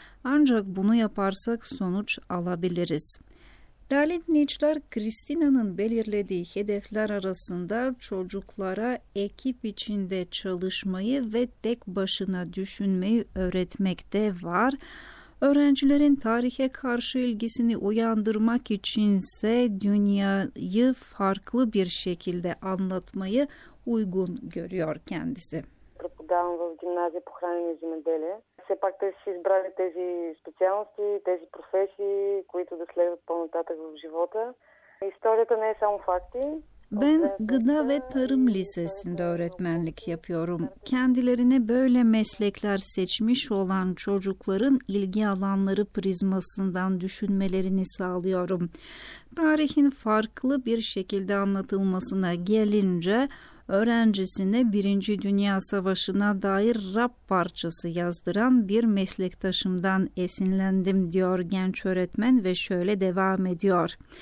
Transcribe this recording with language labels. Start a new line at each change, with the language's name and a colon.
Turkish: Ancak bunu yaparsak sonuç alabiliriz. Değerli dinleyiciler, Kristina'nın belirlediği hedefler arasında çocuklara ekip içinde çalışmayı ve tek başına düşünmeyi öğretmek de var. Öğrencilerin tarihe karşı ilgisini uyandırmak içinse dünyayı farklı bir şekilde anlatmayı uygun görüyor kendisi.
Bulgarian: Propagandam в гимназия по хранене и земеделие. Все пак те си избрали тези специалности, тези професии, които да следват по-нататък в живота. Историята не е само факти.
Turkish: Ben gıda ve tarım lisesinde öğretmenlik yapıyorum. Kendilerine böyle meslekler seçmiş olan çocukların ilgi alanları prizmasından düşünmelerini sağlıyorum. Tarihin farklı bir şekilde anlatılmasına gelince, öğrencisine Birinci Dünya Savaşı'na dair rap parçası yazdıran bir meslektaşımdan esinlendim diyor genç öğretmen ve şöyle devam ediyor.